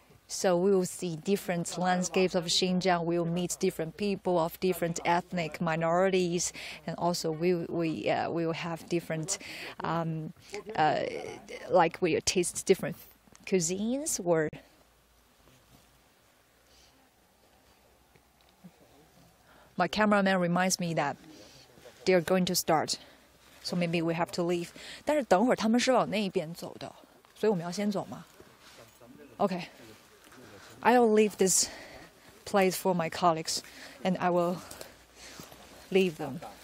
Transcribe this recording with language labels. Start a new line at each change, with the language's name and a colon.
English: So we will see different landscapes of Xinjiang. We will meet different people of different ethnic minorities, and also we will have different, like we will taste different cuisines. Or my cameraman reminds me that they are going to start, so maybe we have to leave.
Chinese: 但是等会儿他们是往那边走的，所以我们要先走吗？
English: Okay. I'll leave this place for my colleagues, and I will leave them.